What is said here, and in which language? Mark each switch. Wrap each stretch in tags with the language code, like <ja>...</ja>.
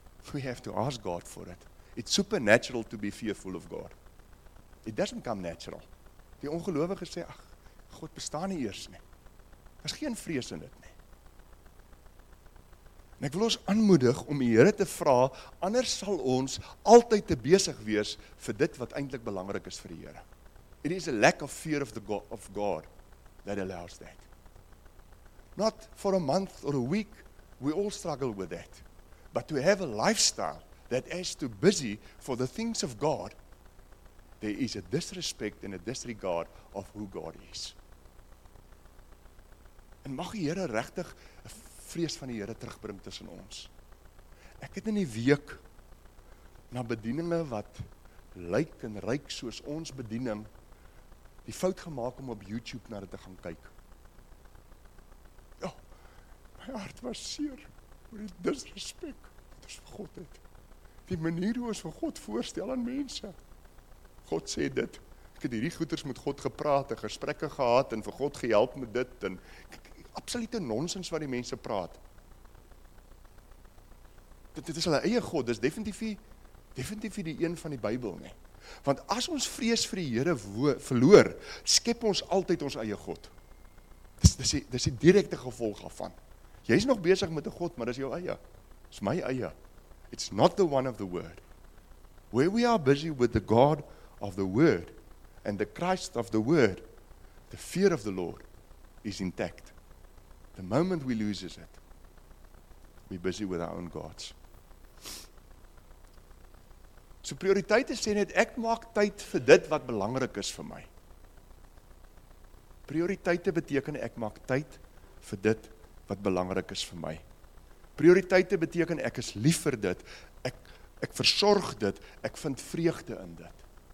<en>We have to ask God for it. It's supernatural to be fearful of God. It doesn't come natural.</en> <af>Die ongelowige sê, ach, God bestaan nie eers nie. Daar's geen vrees in dit nie. En ek wil ons aanmoedig om die Here te vra, anders sal ons altyd te besig wees vir dit wat eintlik belangrik is vir die Here.</af> <en>It is a lack of fear of the God, of God that allows that. Not for a month or a week, we all struggle with that. But to have a lifestyle that is too busy for the things of God, there is a disrespect and a disregard of who God is.</en> <af>En mag die Here regtig 'n vrees van die Here terugbring tussen ons. Ek het in die week na bedieninge wat lyk en ryk soos ons bediening die fout gemaak om op YouTube na dit te gaan kyk. Ja, my hart was seer oor die disrespek wat ons vir God het. Die manier hoe ons vir God voorstel aan mense. God sê dit, ek het hierdie goeders met God gepraat en gesprekke gehad en vir God gehelp met dit en absolute nonsens wat die mense praat. Dit is hulle eie God, dit is definitief die een van die Bybel nie. Want as ons vrees vir die Here verloor, skep ons altyd ons eie God. Dis die direkte gevolg daarvan. Jy is nog besig met 'n God, maar dis jou eie. Dis my eie.</af> <en>It's not the one of the Word. Where we are busy with the God of the Word and the Christ of the Word, the fear of the Lord is intact. The moment we lose it, we're busy with our own gods.</en> <af>So prioriteite sê net, ek maak tyd vir dit wat belangrik is vir my. Prioriteite beteken ek maak tyd vir dit wat belangrik is vir my. Prioriteite beteken ek is lief vir dit, ek versorg dit, ek vind vreugde in dit.</af>